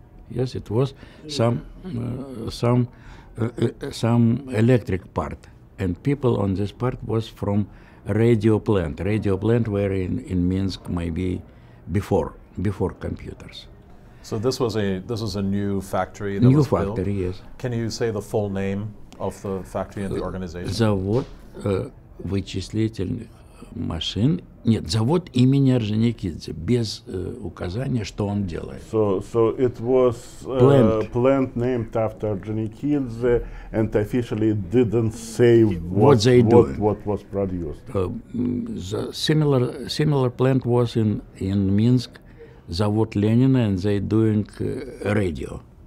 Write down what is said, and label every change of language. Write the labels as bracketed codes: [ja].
[en] Yes, it was some electric part, and people on this part was from radio plant. Radio plant were in Minsk maybe before computers. So this was a new factory. That new was factory, built. Yes. Can you say the full name of the factory and the organization? [ru] Завод вычислительных машин. Нет, завод имени Орджоникидзе, без указания, что он делает. [en] So it was plant named after Орджоникидзе, and officially it didn't say what was produced. Similar plant was in Minsk, [ru] завод Ленина, [en] and they doing radio.